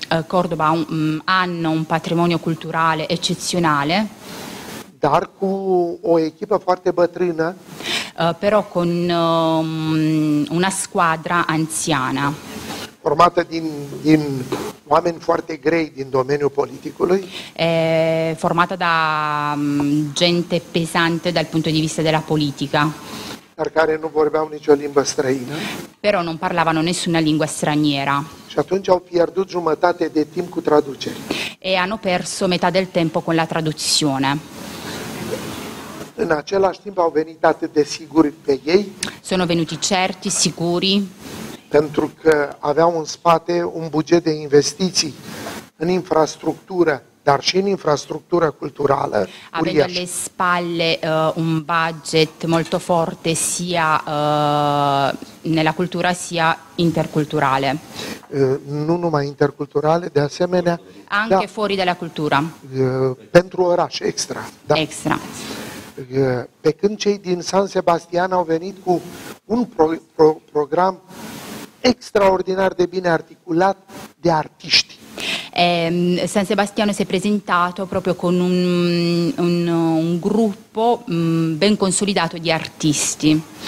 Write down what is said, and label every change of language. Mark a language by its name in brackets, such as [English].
[Italian] Cordoba hanno un patrimonio culturale eccezionale. [Romanian] Dar cu o echipă foarte bătrână. [Italian] Però con una squadra anziana. [Romanian] Formata din oameni foarte grei din domeniul politicului. [Italian] Formata da gente pesante dal punto di vista della politica. [Romanian] Dar care nu vorbeau nicio limbă străină. [Italian] Però non parlavano nessuna lingua straniera. [Romanian] Și atunci au pierdut jumătate de timp cu traducere. [Italian] E hanno perso metà del tempo con la traduzione. [Romanian] În același timp au venit atât de siguri pe ei. [Italian] Sono venuti certi, sicuri. [Romanian] Pentru că aveau în spate un buget de investiții în infrastructură, dar și în infrastructură culturală. [Italian] Avendo alle spalle un budget molto forte sia nella cultura sia interculturale. [Romanian] Nu numai interculturale, de asemenea. [Italian] Anche fuori dalla cultura. [Romanian] Pentru oraș, extra. Da. Extra. Pe când cei din San Sebastian au venit cu un program extraordinar de bine articulat de artiști. [Italian] San Sebastiano si è presentato proprio con un gruppo ben consolidato di artisti.